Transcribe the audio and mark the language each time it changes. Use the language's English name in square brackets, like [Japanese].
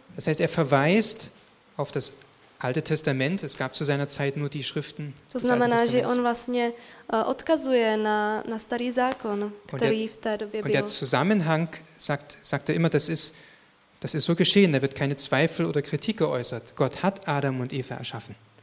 [German] Das heißt, er verweist auf das Alte Testament, es gab zu seiner Zeit nur die Schriften. [Czech] To znamená, že on vlastně odkazuje na starý zákon, který v té době byl. [German] Und der Zusammenhang sagt er immer, das ist so geschehen, da wird keine Zweifel oder Kritik geäußert. Gott hat Adam und Eva erschaffen.